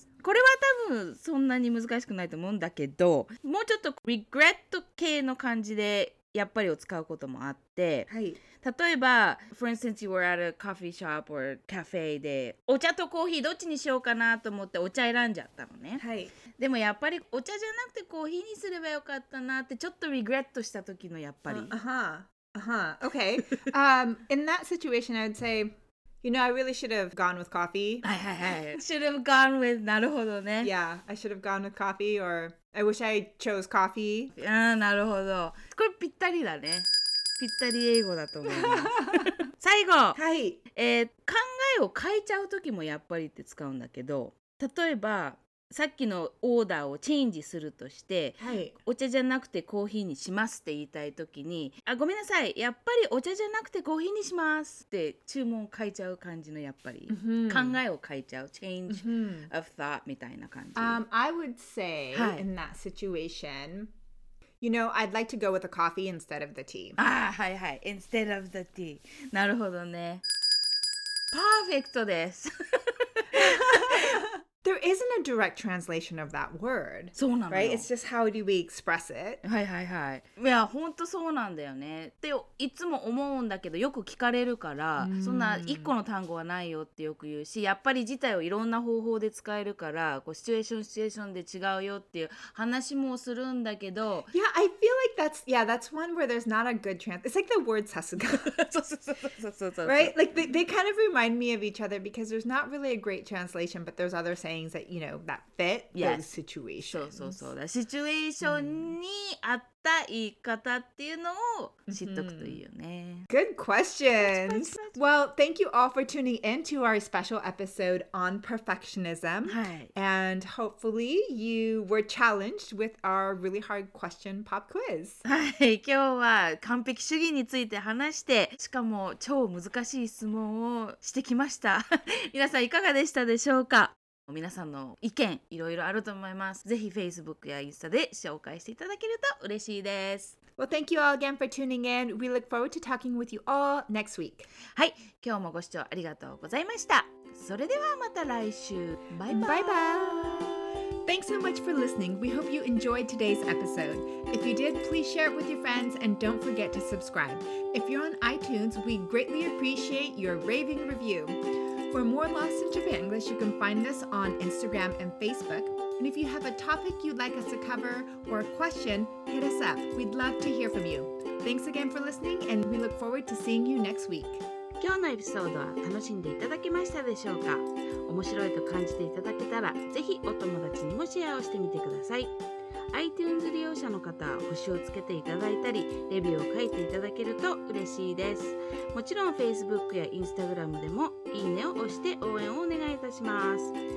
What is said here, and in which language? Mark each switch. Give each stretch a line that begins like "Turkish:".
Japanese: これは多分そんなに難しくないと思うんだけど、もうちょっと regret 系の感じでやっぱりを使うこともあって、はい、例えば、
English: for instance, you were at a coffee shop or cafe
Japanese: でお茶とコーヒーどっちにしようかなと思ってお茶選んじゃったのね、はい、でもやっぱりお茶じゃなくてコーヒーにすればよかったなってちょっと regret した時のやっぱり、
English: Okay. In that situation, I would say,You know, I really should have gone with coffee. should have gone with,
Japanese: なるほどね。
English: Yeah, I should have gone with coffee or I wish I chose coffee.
Japanese: ああ、なるほど。これぴったりだね。ぴったり英語だと思います。最後、はい考えを変えちゃうときもやっぱりって使うんだけど、例えばさっきのオーダーをチェンジするとして、はい、お茶じゃなくてコーヒーにしますって言いたいときにあ、ごめんなさい、やっぱりお茶じゃなくてコーヒーにしますって注文を変えちゃう感じのやっぱり、 mm-hmm. 考えを変えちゃう change of thought みたいな感じ、
English: I would say in that situation You know, I'd like to go with a coffee instead of the tea
Japanese: あ、はいはい、
English: instead of the tea
Japanese: なるほどねパーフェクトです
English: There isn't a direct translation of that word.
Japanese: そうなのよ。
English: Right? It's just how do we express it?
Japanese: はいはいはい。いや、本当そうなんだよね。っていつも思うんだけど、よく聞かれるから、mm. そんな一個の単語はないよってよく言うし、やっぱり自体をいろんな方法で使えるから、こうシチュエーションシチュエーションで違うよっていう話もするんだけど。
English: Yeah, I feel like that's one where there's not a good translation. It's like the word さすが。
Japanese: そうそうそうそうそうそうそう。
English: Right? Like they kind of remind me of each other because there's not really a great translation, but there's other sayingThat, you know, that fit yes. those situations.
Japanese: そうそうそう。だ、シチュエーションに合った言い方っていうのを知っとくといいよね。 Mm-hmm.
English: Good questions! Well, thank you all for tuning in to our special episode on perfectionism.
Japanese: はい。
English: And hopefully you were challenged with our really hard question pop quiz.
Japanese: はい。今日は完璧主義について話して、しかも超難しい質問をしてきました。皆さんいかがでしたでしょうか?皆さんの意見いろいろあると思います。ぜひ Facebook やインスタで紹介していただけると嬉しいです。
English: Well, thank you all again for tuning in. We look forward to talking with you all next week.
Japanese: はい、今日もご視聴ありがとうございました。それではまた来週。バイバイ。バイバイ。
English: Thanks so much for listening. We hope you enjoyed today's episode. If you did, please share it with your friends and don't forget to subscribe. If you're on iTunes, we greatly appreciate your raving review.For more Lost in Japan English, you can find us on Instagram and Facebook And if you have a topic you'd like us to cover or a question, hit us up. We'd love to hear from you. Thanks again for listening, and we look forward to seeing you next week.
Japanese: 今日のエピソードは楽しんでいただけましたでしょうか？面白いと感じていただけたら、ぜひお友達にもシェアをしてみてください。 iTunes 利用者の方は星をつけていただいたり、レビューを書いていただけると嬉しいです。もちろん Facebook や Instagram でもいいねを押して応援をお願いいたします。